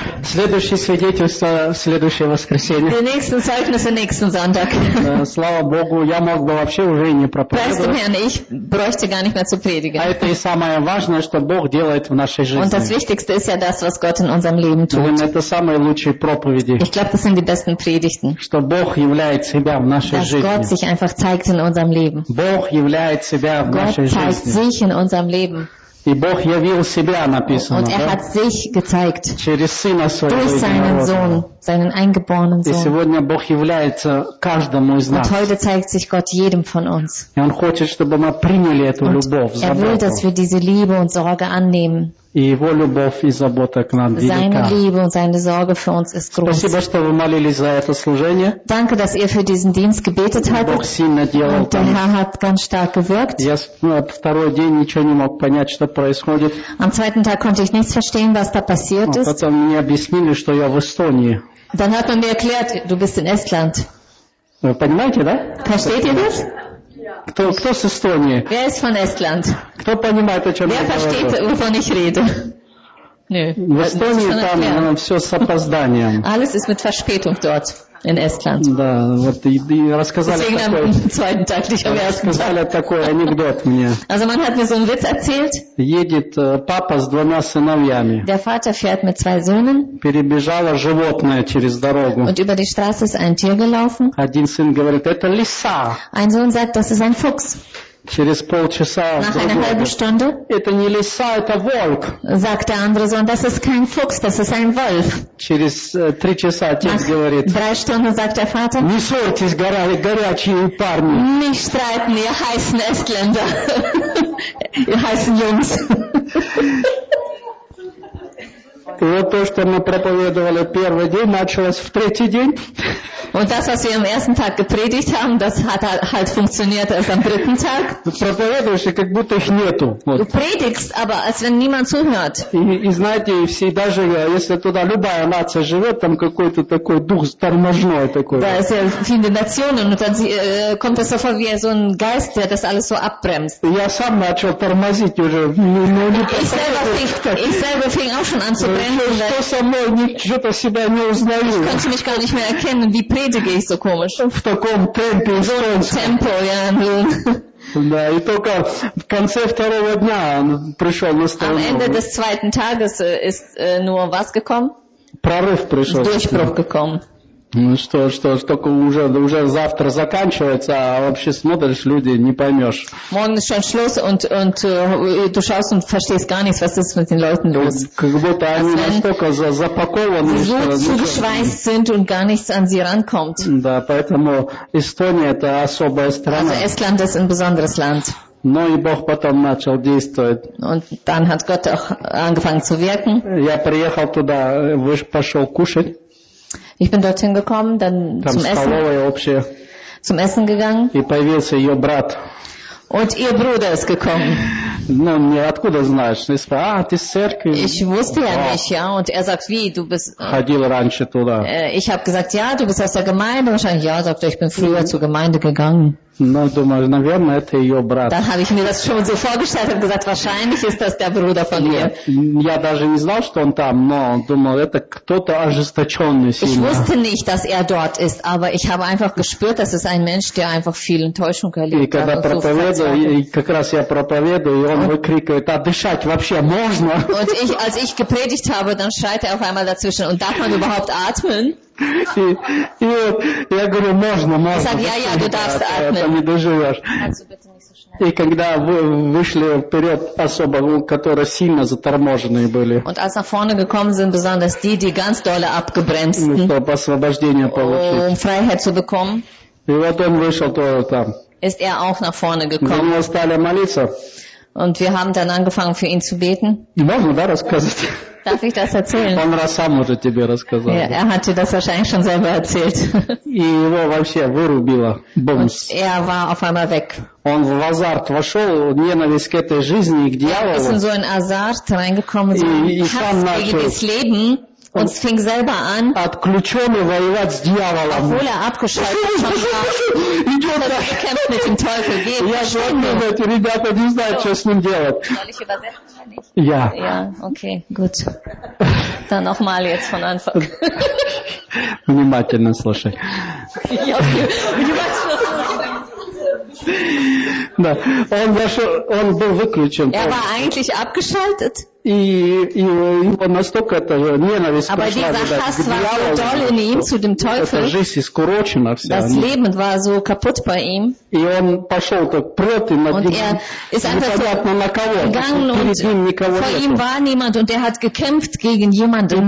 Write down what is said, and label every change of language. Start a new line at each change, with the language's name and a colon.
Russian: Следующее свидетельство в следующее воскресенье.
German: Den nächsten Zeugnis am nächsten Sonntag.
Russian: Слава Богу, я мог бы вообще уже и не проповедовать.
German: Weißt du, ich bräuchte gar nicht mehr zu predigen.
Russian: А это и самое важное, что Бог делает в нашей жизни.
German: Und das Wichtigste ist ja das, was Gott in unserem Leben tut.
Russian: Думаю, это самые лучшие проповеди.
German: Ich glaube, das sind die besten Predigten.
Russian: Что Бог являет себя в нашей
German: dass
Russian: жизни.
German: Gott sich einfach zeigt in unserem Leben.
Russian: Бог являет себя в
German: Gott
Russian: нашей жизни.
German: Gott zeigt sich in unserem Leben.
Russian: И Бог явил себя, написано.
German: Und er hat sich gezeigt.
Russian: Через сына своего.
German: Durch seinen Sohn, seinen eingeborenen Sohn.
Russian: И сегодня Бог является каждому из нас.
German: Und heute zeigt sich Gott jedem von uns.
Russian: И он хочет, чтобы мы приняли эту
German: und
Russian: любовь, заботу.
German: Er will, dass wir diese Liebe und Sorge annehmen.
Russian: И его любовь и забота к нам велика.
German: Seine Liebe und seine Sorge für uns ist groß.
Russian: Спасибо, что вы молились за это служение.
German: Danke, dass ihr für diesen Dienst gebetet habt.
Russian: Бог сильно делал.
German: Und der Herr hat ganz stark gewirkt.
Russian: Я второй день ничего не мог понять, что происходит.
German: Am zweiten Tag konnte ich nichts verstehen, was da passiert ist.
Russian: Потом мне объяснили, что я в Эстонии.
German: Dann hat man mir erklärt, du bist in Estland.
Russian: Вы понимаете, да?
German: Versteht ihr das?
Russian: Кто с Эстонии?
German: Wer ist von Estland?
Russian: Кто понимает, о чем
German: Wer Wer versteht, wovon ich rede?
Russian: В Эстонии там все с опозданием.
German: Alles ist mit Verspätung dort in Estland.
Russian: Да, вот и рассказали
German: Deswegen
Russian: такой.
German: Am zweiten Tag,
Russian: рассказали такой анекдот мне.
German: Also man hat mir so einen Witz erzählt.
Russian: Едет папа с двумя сыновьями.
German: Der Vater fährt mit zwei Söhnen.
Russian: Перебежало животное через дорогу.
German: Und über die Straße ist ein Tier gelaufen.
Russian: Один сын говорит, это лиса.
German: Ein Sohn sagt, das ist ein Fuchs.
Russian: Через полчаса.
German: Nach einer halben Stunde.
Russian: Это не лиса, это волк.
German: Sagt der andere Sohn, das ist kein Fuchs, das ist ein Wolf.
Russian: Через три часа отец говорит.
German: Nach drei Stunden sagt der Vater.
Russian: Не ссорьтесь, горячие парни.
German: Nicht streiten, ihr heißen Estländer. Ihr heißen Jungs.
Russian: И вот то, что мы проповедовали первый день, началось в третий день.
German: Und das, was wir am ersten Tag gepredigt haben, das hat halt funktioniert erst am dritten Tag.
Russian: Проповедуешь, и как будто их нету.
German: Du predigst, aber als wenn niemand zuhört.
Russian: И знаете, все, даже если туда любая нация живет, там какой-то такой дух торможной такой. Да,
German: sehr viele Nationen, und dann kommt es so vor wie so ein Geist, der das alles so abbremst.
Russian: Я сам начал тормозить уже.
German: Ich selber fing auch schon an zu
Russian: Что со мной? Ничего-то себя не узнаю.
German: Ich konnte mich gar nicht mehr erkennen, wie predige ich so komisch.
Russian: В таком темпе, в таком темпе, я Да, и только в конце второго дня пришел наставник.
German: Am Ende des zweiten Tages ist nur was gekommen?
Russian: Прорыв пришел.
German: Durchbruch gekommen.
Russian: Ну что ж, только уже завтра заканчивается, а вообще смотришь, люди не поймешь.
German: Morgen ist schon Schluss und du schaust und verstehst gar nichts, was ist mit den Leuten los.
Russian: Как будто они настолько запакованы, что
German: zugeschweißt sind und gar nichts an sie rankommt.
Russian: Да, поэтому Эстония это особая страна.
German: Also Estland ist ein besonderes Land.
Russian: Но и Бог потом начал действовать.
German: Und dann hat Gott auch angefangen zu wirken.
Russian: Я приехал туда, пошел кушать.
German: Ich bin dorthin gekommen, dann
Russian: там
German: zum Essen.
Russian: Общее.
German: Zum Essen gegangen.
Russian: И появился ее брат.
German: Und ihr Bruder ist gekommen.
Russian: Ну, мне откуда знаешь? Я сказал, ты из церкви.
German: Ich wusste ja nicht, ja. Und er sagt, wie, du bist...
Russian: Ходил раньше туда.
German: Ich habe gesagt, ja, du bist aus der Gemeinde. Wahrscheinlich, ja, sagt er, ich bin früher zur Gemeinde gegangen.
Russian: Ну, думаю, наверное, это ее брат.
German: Dann habe ich mir das schon so vorgestellt und gesagt, wahrscheinlich ist das der Bruder von ihr.
Russian: Я даже не знал, что он там, но думал, это кто-то ожесточенный сильно.
German: Ich wusste nicht, dass er dort ist, aber ich habe einfach gespürt, dass es ein Mensch, der einfach viel Enttäuschung erlebt hat.
Russian: И когда проповедую, как раз я проповедую, и он выкрикивает, а дышать вообще можно?
German: Und ich, als ich gepredigt habe, dann schreit er auf einmal dazwischen, und darf man überhaupt atmen?
Russian: И вот я говорю, можно.
German: Sag, ja, du darfst atmen.
Russian: Это не доживешь. И когда вышли вперед особо, которые сильно заторможенные были.
German: Und als nach vorne gekommen sind, besonders die, die ganz doll abgebremsten.
Russian: Чтобы освобождение получить.
German: Um Freiheit zu bekommen.
Russian: И вот он вышел тоже там.
German: Ist er auch nach vorne gekommen.
Russian: Мы стали молиться.
German: Und wir haben dann angefangen, für ihn zu beten.
Russian: Можно, да, рассказать?
German: Darf ich das erzählen?
Russian: Он сам уже тебе рассказал.
German: Ja, er hat dir das wahrscheinlich schon selber erzählt.
Russian: И его вообще вырубило. Бумс.
German: Er war auf einmal weg.
Russian: Он в азарт вошел, ненависть к этой жизни и к дьяволу.
German: Er ist in so einen Азарт reingekommen, so ein Hass gegen das Leben. Und es fing selber an, obwohl er abgeschaltet war, er kämpft mit dem Teufel. Ja, ich weiß nicht. Ja. Ja, okay, gut. Dann nochmal jetzt von Anfang.
Russian: Внимательно слушай. Я внимательно Да, он вошел, он был выключен.
German: Er war eigentlich abgeschaltet.
Russian: И его настолько это же ненависть
German: Aber
Russian: пошла,
German: dieser Hass war so doll in ihm zu dem Teufel.
Russian: Эта жизнь искорочена вся.
German: Das Leben war so kaputt bei ihm.
Russian: И он пошел так против, непонятно на кого.
German: Gegangen und
Russian: перед ним никого
German: vor ihm war niemand und hat gekämpft gegen jemanden.